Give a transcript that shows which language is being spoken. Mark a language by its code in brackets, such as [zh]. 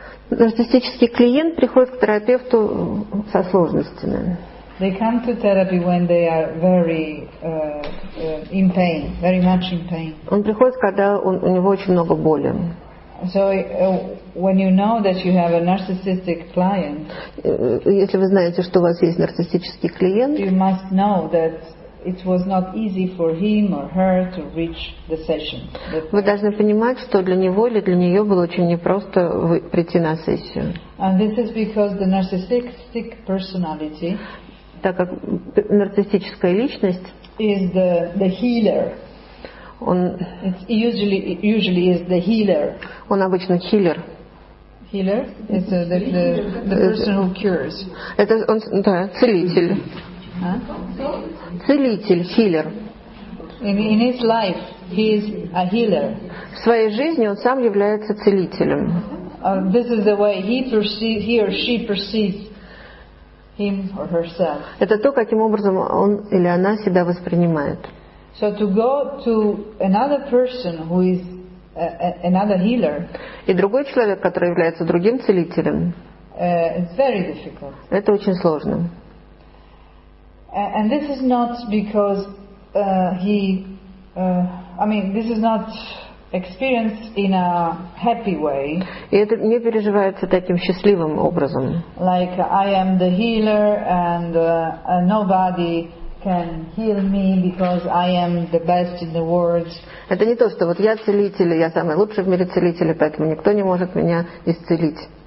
[ru] Нарциссический клиент приходит к терапевту со сложностями. [en] They come to therapy when they are very in pain, very much in pain. [ru] Он приходит, когда у него очень много боли. [en] So when you know that you have a narcissistic client, [ru] если вы знаете, что у вас есть нарциссический клиент, [en] you must know that it was not easy for him or her to reach the session. [ru] Вы должны понимать, что для него или для нее было очень непросто прийти на сессию. [en] And this is because the narcissistic personality, [ru] так как нарциссическая личность, [en] is the healer. [ru] Он, [en] it's usually is the healer. [ru] Он обычно хиллер. [en] Healer is the person who cures. [ru] Это он, да, целитель. Целитель, хиллер. [en] In his life, he is a healer. [ru] В своей жизни он сам является целителем. [en] This is the way he or she perceives him or herself. [ru] Это то, каким образом он или она себя воспринимает. [en] So to go to another person who is another healer. [ru] И другой человек, который является другим целителем. [en] It's very difficult. [ru] Это очень сложно. [en] And this is not because this is not experienced in a happy way. [ru] И это не переживается таким счастливым образом. [en] Like I am the healer and nobody can heal me because I am the best in the world. [ru] Это не то, что вот я целитель, я самый лучший в мире целитель, поэтому никто не может меня исцелить.